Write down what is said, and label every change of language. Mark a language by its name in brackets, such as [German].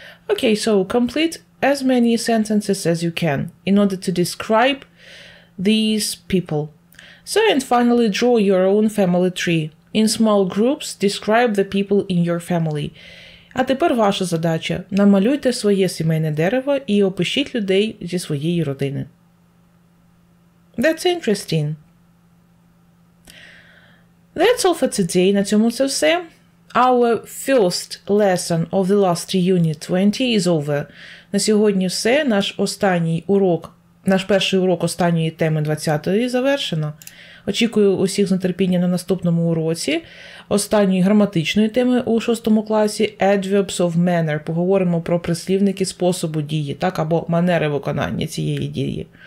[English] Okay, so complete as many sentences as you can in order to describe these people. So, and finally, draw your own family tree. In small groups, describe the people in your family. [Ukrainian] А тепер ваша задача. Намалюйте своє сімейне дерево і опишіть людей зі своєї родини. [English] That's interesting. That's all for today. [Ukrainian] На цьому це все. [English] Our first lesson of the last unit 20 is over. [Ukrainian] На сьогодні все. Наш останній урок, наш перший урок останньої теми 20-ї завершено. Очікую усіх з нетерпінням на наступному уроці останньої граматичної теми у 6 класі Adverbs of Manner. Поговоримо про прислівники способу дії, так, або манери виконання цієї дії.